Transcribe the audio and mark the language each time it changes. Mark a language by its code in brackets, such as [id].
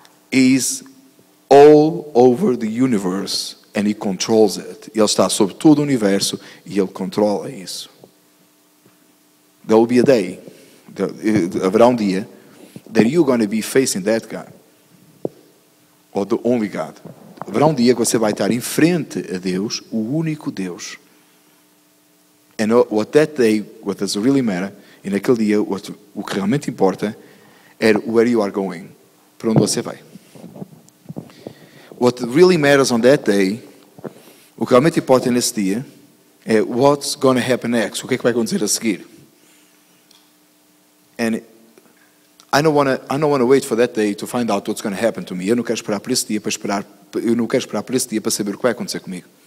[en] He is all over the universe and he controls it. [pt] Ele está sobre todo o universo e ele controla isso. [en] There will be a day. [pt] Haverá dia [en] that you're going to be facing that God or the only God. [pt] Haverá dia que você vai estar em frente a Deus, o único Deus. [en] And what that day, what does really matter, [pt] e naquele dia, o que realmente importa é [en] where you are going, [pt] para onde você vai. [en] What really matters on that day, [pt] o que realmente importa nesse dia é [en] what's going to happen next, [pt] o que é que vai acontecer a seguir. [en] And I don't want to wait for that day to find out what's going to happen to me. [pt] Eu não quero esperar por esse dia para saber o que vai acontecer comigo.